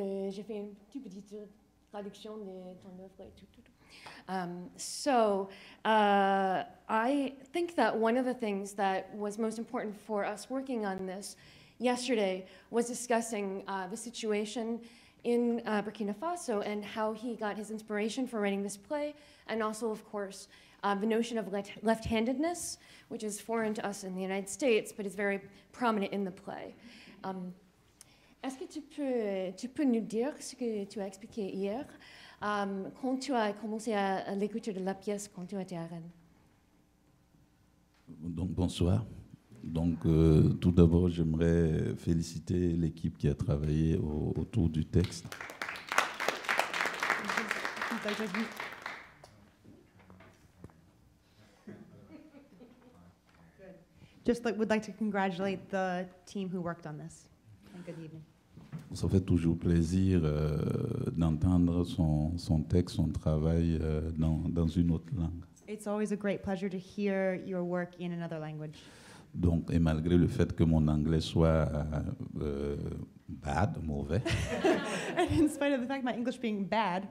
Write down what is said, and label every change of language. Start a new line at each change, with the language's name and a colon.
French: J'ai fait une petite, petite traduction de ton œuvre et tout, tout, tout.
English: I think that one of the things that was most important for us working on this yesterday was discussing the situation in Burkina Faso and how he got his inspiration for writing this play, and also, of course, the notion of left-handedness, which is foreign to us in the United States, but is very prominent in the play.
French: Est-ce que tu peux nous dire ce que tu as expliqué hier quand tu as commencé à l'écriture de la pièce quand tu étais à Rennes? Donc, bonsoir. Donc, tout d'abord, j'aimerais féliciter l'équipe qui a travaillé autour du texte.
English: Would like to congratulate the team who worked on this. And good evening.
French: Ça fait toujours plaisir d'entendre son texte, son travail dans une autre langue.
English: It's always a great pleasure to hear your work in another language.
French: Donc, et malgré le fait que mon anglais soit bad, mauvais.
English: And in spite of the fact my English being bad.